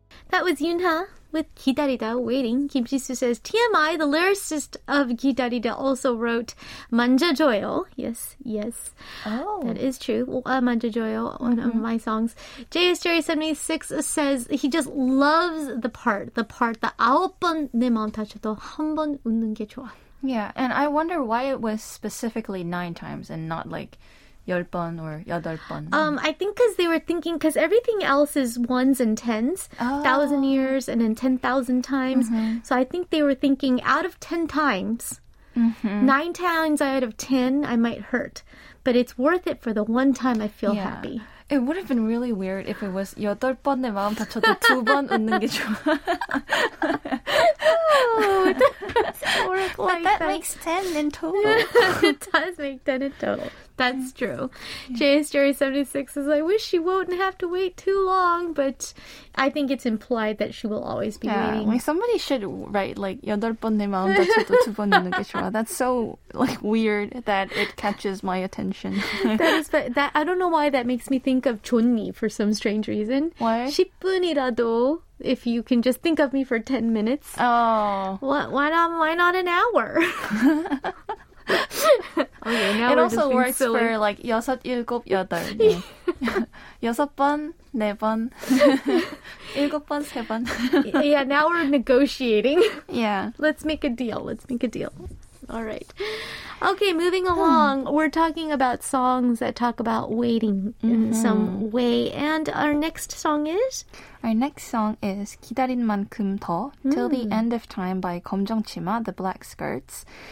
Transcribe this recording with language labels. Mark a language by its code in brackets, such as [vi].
[en] That was Yuna with 기다리다, waiting. Kim Jisoo says, TMI, the lyricist of 기다리다, also wrote 만져줘요. Yes. Oh. That is true. 만져줘요, one of my songs. JSJerry76 says he just loves the part, the [ko] 9번 내 마음 다쳐도 한 번 웃는 게 좋아. [en] Yeah, and I wonder why it was specifically 9 times and not like 10번 or 8번. I think because they were thinking, because everything else is ones and tens, 1,000 years and then 10,000 times. So I think they were thinking out of 10 times, 9 times out of 10, I might hurt. But it's worth it for the one time I feel happy. It would have been really weird if it was [ko] 8번 내 마음 다쳐도 2번 웃는 게 좋아. [en] Historic but like that. But that makes 10 in total. It does make 10 in total. That's true. Yeah. J.S. Jerry 76 is like, wish she wouldn't have to wait too long, but I think it's implied that she will always be waiting. Like somebody should write, like, [ko] 여덟 번 내 마음 다쳐도 두 번 내는 게 좋아. [en] That's so, like, weird that it catches my attention. That I don't know why that makes me think of 존니 for some strange reason. Why? 10분이라도, if you can just think of me for 10 minutes. Oh. Why not an hour? Okay, it also works for like [ko] 여섯, 일곱, 여덟. 여섯 번, 네 번, 일곱 번, 세 번. [en] Yeah, now we're negotiating. Yeah. Let's make a deal. All right. Okay, moving along. We're talking about songs that talk about waiting in some way. And our next song is? Our next song is 기다린 만큼 더, Till the End of Time by 검정치마, The Black Skirts.